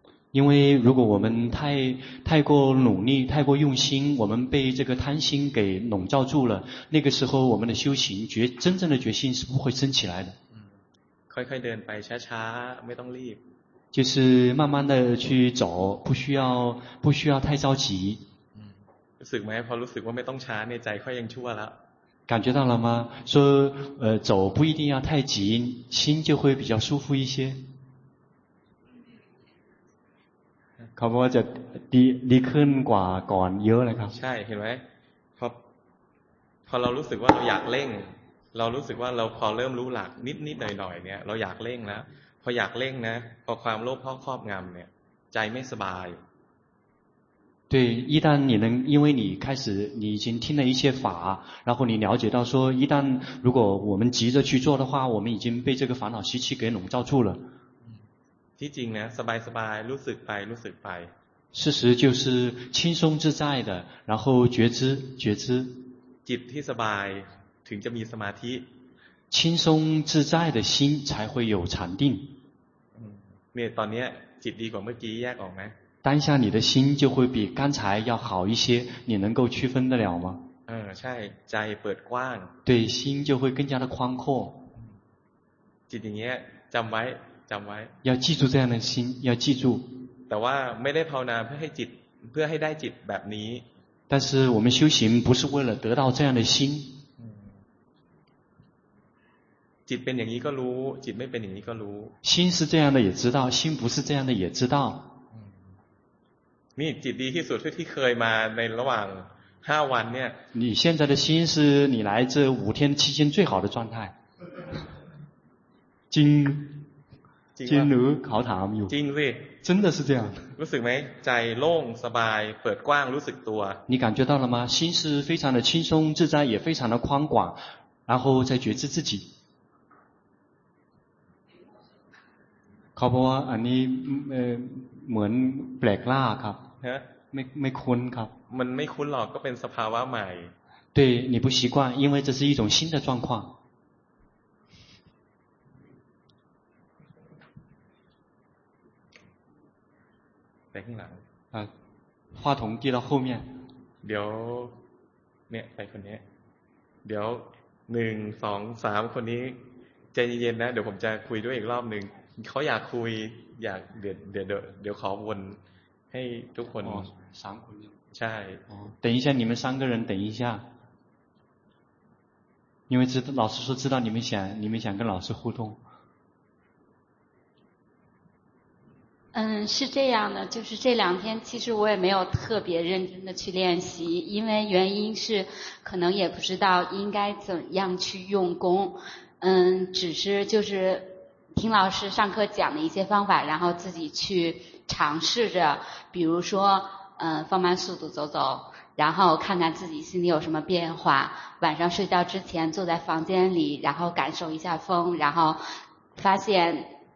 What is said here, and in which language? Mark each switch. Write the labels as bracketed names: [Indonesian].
[Chinese] 因为如果我们太过努力太过用心我们被这个贪心给笼罩住了那个时候我们的修行真正的决心是不会升起来的 [Thai] ค่อยๆเดินไปช้าๆไม่ต้องรีบ [Chinese] 就是慢慢的去走不需要太着急 [Thai] สึกไหมพอรู้สึกว่าไม่ต้องช้าเนี่ยใจค่อยยังชั่วแล้ว [Chinese] 感觉到了吗说走不一定要太急心就会比较舒服一些 [Thai] เขาบอกว่าจะดีขึ้นกว่าก่อนเยอะเลยครับ ใช่เห็นไหมพอเรารู้สึกว่าเราอยากเร่งเรารู้สึกว่าเราพอเริ่มรู้หลักนิดนิดหน่อยหน่อยเนี่ยเราอยากเร่งแล้วพออยากเร่งนะพอความโลภครอบงำเนี่ยใจไม่สบาย [Chinese] 对一旦你能因为你开始你已经听了一些法然后你了解到说一旦如果我们急着去做的话我们已经被这个烦恼习气给笼罩住了 [Thai] ที่จริงนะสบายสบายรู้สึกไปรู้สึกไป [Chinese] 事实就是轻松自在的然后觉知 [Thai] จิตที่สบายถึงจะมีสมาธิ [Chinese] 轻松自在的心才会有禅定 [Thai] เนี่ยตอนนี้จิตดีกว่าเมื่อกี้แยกออกไหม [Chinese] 当下你的心就会比刚才要好一些你能够区分得了吗 [Thai] ใช่ใจเปิดกว้าง [Chinese] 对心就会更加的宽阔 [Thai] จิตอย่างเงี้ยจำไว้ [Chinese] 要记住这样的心要记住 [Thai] แต่ว่าไม่ได้ภาวนาเพื่อให้ได้จิตแบบนี้ [Chinese] 但是我们修行不是为了得到这样的心。 [Thai] จิตเป็นอย่างนี้ก็รู้จิตไม่เป็นอย่างนี้ก็รู้ [Chinese] 心是这样的也知道心不是这样的也知道 [Thai] นี่จิตดีที่สุดที่เคยมาในระหว่าง5วันเนี่ย [Chinese] 你现在的心是你来这五天期间最好的状态 [Thai] จริงหรือเขาถามอยู่ จริงสิ [Chinese] 真的是这样 [Thai] รู้สึกไหมใจโล่งสบายเปิดกว้างรู้สึกตัว [Chinese] 你感觉到了吗心是非常的轻松自在也非常的宽广然后再觉知自己 [Thai] เขาบอกว่าอันนี้เหมือนแปลกล่าครับ ฮะ ไม่คุ้นครับ มันไม่คุ้นหรอกก็เป็นสภาวะใหม่ [Chinese] 对你不习惯因为这是一种新的状况 [Thai] ไปข้างหลัง [Chinese] 话筒递到后面 [Thai] เดี๋ยวเนี่ยไปคนนี้เดี๋ยว1 2 3คนนี้ใจเย็นๆนะเดี๋ยวผมจะคุยด้วยอีกรอบนึงเขาอยากคุยอยากเดี๋ยวขอวนให้ทุกคน 3คน ใช่ [Chinese] 等一下你们三个人等一下因为老师说知道你们想跟老师互动是这样的就是这两天其实我也没有特别认真的去练习因为原因是可能也不知道应该怎样去用功只是就是听老师上课讲的一些方法然后自己去尝试着比如说放慢速度走然后看看自己心里有什么变化晚上睡觉之前坐在房间里然后感受一下风然后发现